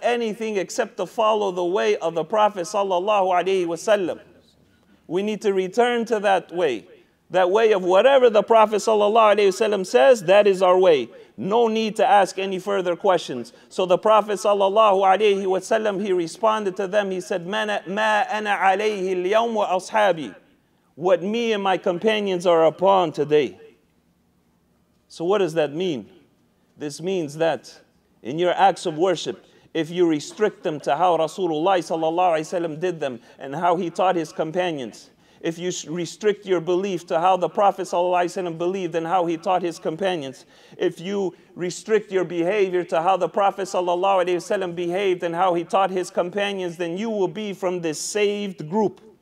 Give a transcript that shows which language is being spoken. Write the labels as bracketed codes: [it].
[en] Anything except to follow the way of the Prophet sallallahu alayhi wasallam. We need to return to that way. That way of whatever the Prophet sallallahu alayhi wasallam says, that is our way. No need to ask any further questions. So the Prophet sallallahu alayhi wasallam, he responded to them. He said, [ar] مَا أَنَا عَلَيْهِ الْيَوْمُ وَأَصْحَابِي. [en] What me and my companions are upon today. So what does that mean? This means that in your acts of worship, if you restrict them to how Rasulullah sallallahu alayhi wa sallam did them and how he taught his companions, if you restrict your belief to how the Prophet sallallahu alayhi wa sallam believed and how he taught his companions, if you restrict your behavior to how the Prophet sallallahu alayhi wa sallam behaved and how he taught his companions, then you will be from this saved group.